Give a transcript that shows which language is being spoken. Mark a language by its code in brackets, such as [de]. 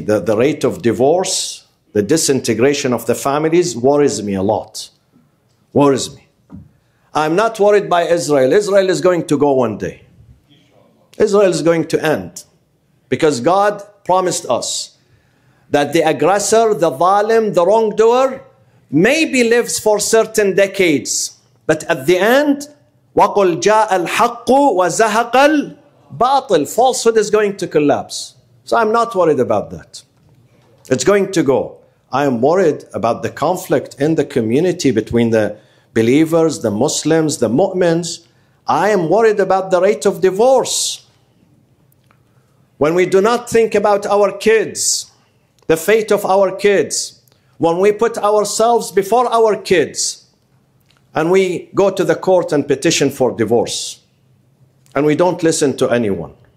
[en] The rate of divorce, the disintegration of the families worries me a lot. Worries me. I'm not worried by Israel. Israel is going to go one day. Israel is going to end. Because God promised us that the aggressor, the zalim, the wrongdoer, maybe lives for certain decades. But at the end, [ar] وَقُلْ جَاءَ الْحَقُّ وَزَهَقَ الْبَاطِلِ. [en] Falsehood is going to collapse. So I'm not worried about that. It's going to go. I am worried about the conflict in the community between the believers, the Muslims, the mu'mins. I am worried about the rate of divorce. When we do not think about our kids, the fate of our kids, when we put ourselves before our kids, and we go to the court and petition for divorce, and we don't listen to anyone.